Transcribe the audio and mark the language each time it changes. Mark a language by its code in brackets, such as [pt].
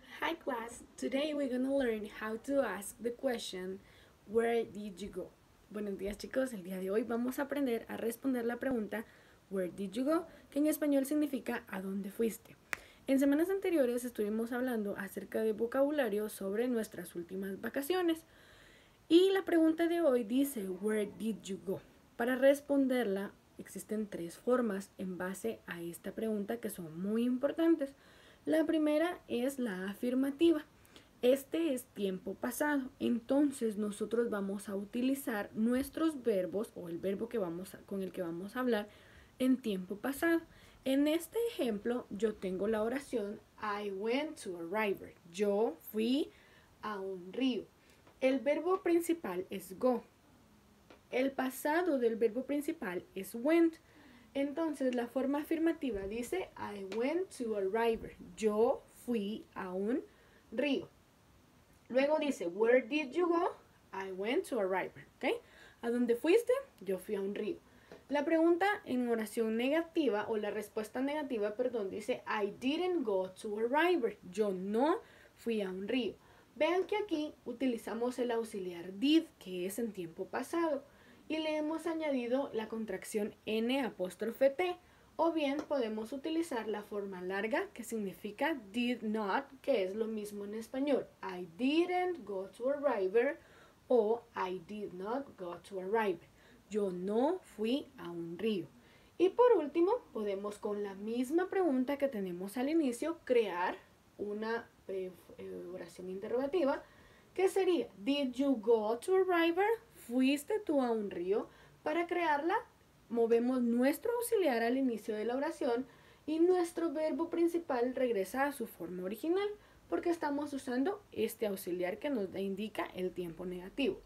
[en] Likewise, today we're going to learn how to ask the question, where did you go? [es] Buenos días, chicos. El día de hoy vamos a aprender a responder la pregunta, where did you go? Que en español significa, ¿a dónde fuiste? En semanas anteriores estuvimos hablando acerca de vocabulario sobre nuestras últimas vacaciones. Y la pregunta de hoy dice, where did you go? Para responderla, existen tres formas en base a esta pregunta que son muy importantes. La primera es la afirmativa. Este es tiempo pasado. Entonces nosotros vamos a utilizar nuestros verbos o el verbo que vamos a, con el que vamos a hablar en tiempo pasado. En este ejemplo yo tengo la oración I went to a river. Yo fui a un río. El verbo principal es go. El pasado del verbo principal es went. Entonces, la forma afirmativa dice, I went to a river. Yo fui a un río. [en] Luego dice, where did you go? [es] I went to a river. ¿Okay? ¿A dónde fuiste? Yo fui a un río. La pregunta en oración negativa, o la respuesta negativa, perdón, dice, I didn't go to a river. Yo no fui a un río. Vean que aquí utilizamos el auxiliar did, que es en tiempo pasado. Y le hemos añadido la contracción n apóstrofe t. O bien podemos utilizar la forma larga que significa did not, que es lo mismo en español. [en] I didn't go to a river o I did not go to a river. [es] Yo no fui a un río. Y por último, podemos con la misma pregunta que tenemos al inicio crear una oración interrogativa que sería did you go to a river? ¿Fuiste tú a un río? Para crearla, movemos nuestro auxiliar al inicio de la oración y nuestro verbo principal regresa a su forma original porque estamos usando este auxiliar que nos indica el tiempo negativo.